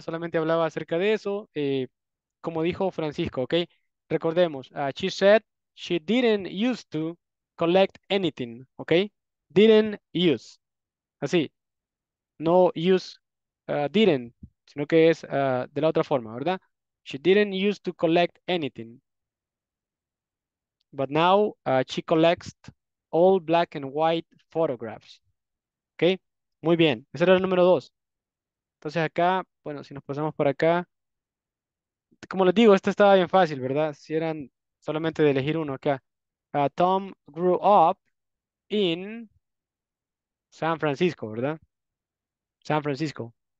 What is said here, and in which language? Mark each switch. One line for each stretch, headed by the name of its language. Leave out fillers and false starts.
Spanish: Solamente hablaba acerca de eso, como dijo Francisco, okay.
English: Recordemos, she said she didn't used to collect anything, okay?
Spanish: Didn't use. Así. No use didn't, sino que es de la otra forma, ¿verdad?
English: She didn't used to collect anything. But now she collects all black and white photographs.
Spanish: ¿Ok? Muy bien. Ese era el número dos. Entonces acá, bueno, si nos pasamos por acá. Como les digo, esta estaba bien fácil, ¿verdad? Si eran solamente de elegir uno acá.
English: Tom grew up in San Francisco,
Spanish: ¿verdad? San Francisco.